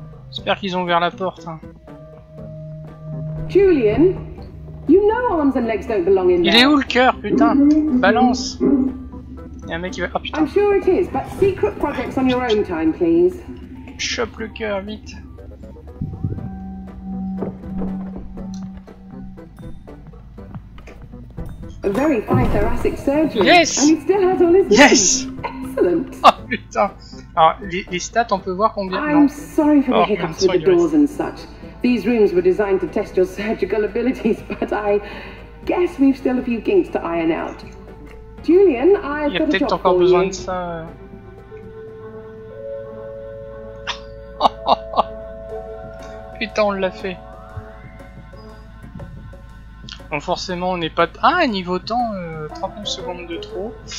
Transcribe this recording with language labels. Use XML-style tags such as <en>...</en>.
<fr>J'espère qu'ils ont ouvert la porte. Hein.</fr> <en>Julian, you know arms and legs don't belong in there.</en> <fr>Il est où le cœur, putain? Balance! Il y a un mec qui va... Oh, putain.</fr> <en>I'm sure it is, but secret projects on your own time, please.</en> <fr>Chope le cœur, vite.</fr> <en>A very fine thoracic surgery. Yes. And it still has all its... Yes. Excellent.</en> <fr>Oh putain. Alors les stats, on peut voir combien.</fr> <en>I'm sorry for the hiccups with the doors and such. These rooms were designed to test your surgical abilities, but I guess we've still a few kinks to iron out.</en> <fr>Julian, il y a peut-être encore besoin de ça. Putain, on l'a fait. Bon, forcément, on n'est pas... Ah, niveau temps, 39 secondes de trop.</fr>